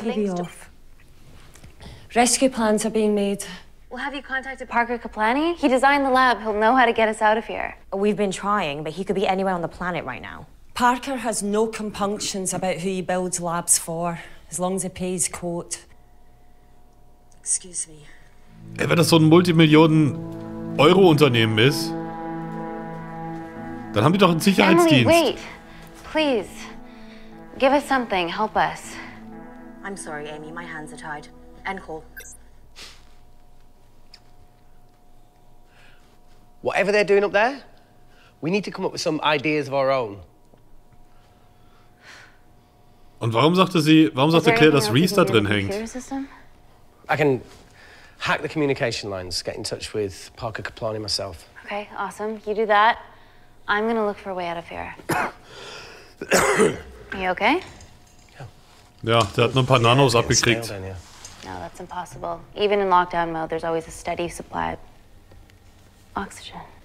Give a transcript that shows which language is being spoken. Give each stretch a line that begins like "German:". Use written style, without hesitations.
English: TV links off. Rescue plans are being made. Well, have you contacted Parker Kaplani? He designed the lab. He'll know how to get us out of here. We've been trying, but he could be anywhere on the planet right now. Parker has no compunctions about who he builds labs for, as long as he pays quote. Excuse me.
German: Ey, wenn das so ein Multimillionen-Euro-Unternehmen ist, dann haben die doch einen Sicherheitsdienst.
English: Emily, wait. Please. Give us something. Help us. I'm sorry, Amy. My hands are tied. End call. Whatever they're doing up there, we need to come up with some ideas of our own.
German: Und warum sagte Claire, dass Reese da drin hängt?
English: I can hack the communication lines, get in touch with Parker Kaplani myself. Okay, awesome. You do that. I'm gonna look for a way out of here. You okay? Yeah.
German: Ja, der hat nur ein paar Nanos abgekriegt.
English: No, that's impossible. Even in lockdown mode, there's always a steady supply of oxygen.